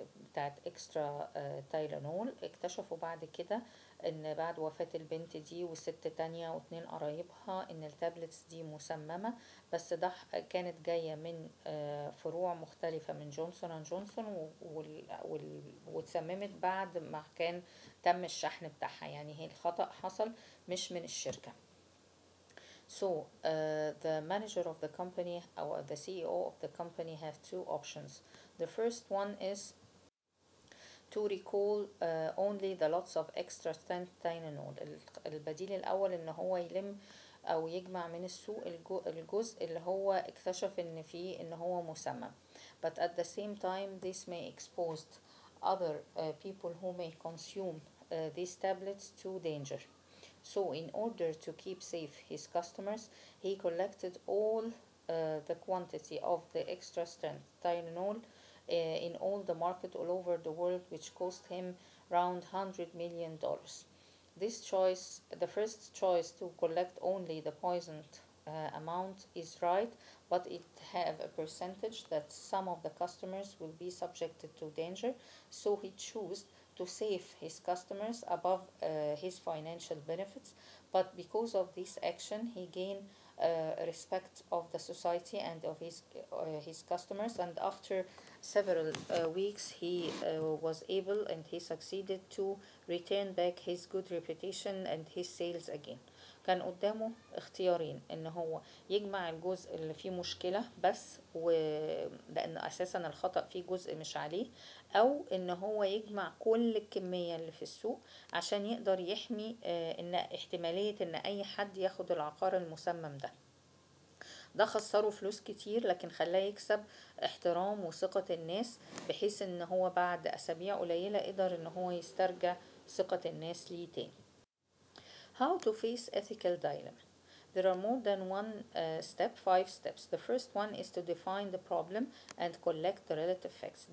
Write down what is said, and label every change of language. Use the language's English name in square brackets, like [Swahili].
[Arabic] بتاعت اكسترا تايلانول. اكتشفوا بعد كده ان بعد وفاة البنت دي والست تانية واتنين قرايبها ان التابلتس دي مسممة، بس ده كانت جاية من فروع مختلفة من جونسون اند جونسون، واتسممت بعد ما كان تم الشحن بتاعها. يعني هي الخطأ حصل مش من الشركة. [English] So the manager of the company or the CEO of the company have two options. The first one is to recall only the lots of extra strength Tylenol. [Arabic] البديل الأول إن هو يلم أو يجمع من السوق الجزء اللي هو اكتشف إن فيه إن هو مسمم. [English] But at the same time, this may expose other people who may consume these tablets to danger. So in order to keep safe his customers, he collected all the quantity of the extra strength Tylenol in all the market all over the world, which cost him around $100 million. This choice, the first choice to collect only the poisoned amount, is right, but it have a percentage that some of the customers will be subjected to danger. So he chose to save his customers above his financial benefits, but because of this action, he gained respect of the society and of his customers. And after several weeks, he was able and he succeeded to retain back his good reputation and his sales again. [Arabic] كان قدامه اختيارين، ان هو يجمع الجزء اللي فيه مشكلة بس، لان اساسا الخطأ فيه جزء مش عليه، او ان هو يجمع كل الكمية اللي في السوق عشان يقدر يحمي ان احتمالية ان اي حد ياخد العقار المسمم ده. ده خسره فلوس كتير، لكن خلاه يكسب احترام وثقة الناس، بحيث ان هو بعد اسابيع قليلة قدر ان هو يسترجع ثقة الناس ليه تاني. [English] How to face ethical dilemma? There are more than one step, five steps. The first one is to define the problem and collect the relative facts.